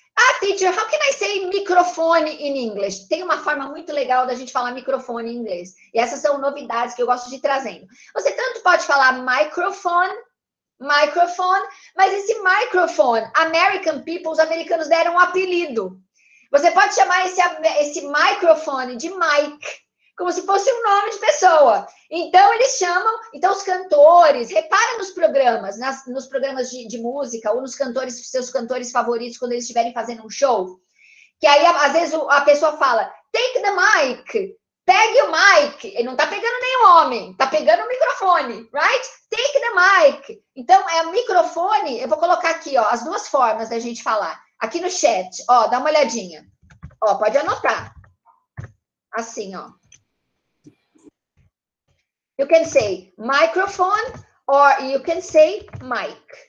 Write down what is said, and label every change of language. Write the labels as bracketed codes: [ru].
[en] Ah, teacher, how can I say microfone in English? [pt] Tem uma forma muito legal da gente falar microfone em inglês. E essas são novidades que eu gosto de ir trazendo. Você tanto pode falar microphone, microphone, mas esse microphone, [en] American people, [pt] os americanos deram um apelido. Você pode chamar esse microphone de mic, como se fosse um nome de pessoa. Então, eles chamam... Então, os cantores... Repara nos programas, nos programas de música ou nos cantores, seus cantores favoritos, quando eles estiverem fazendo um show. Que aí, às vezes, a pessoa fala [en] take the mic, [pt] pegue o mic. Ele não está pegando nenhum homem, está pegando o microfone, right? [en] Take the mic. [pt] Então, é o microfone... Eu vou colocar aqui, ó, as duas formas da gente falar. Aqui no chat, ó, dá uma olhadinha. Ó, pode anotar. assim, ó. [en] You can say microphone or you can say mic.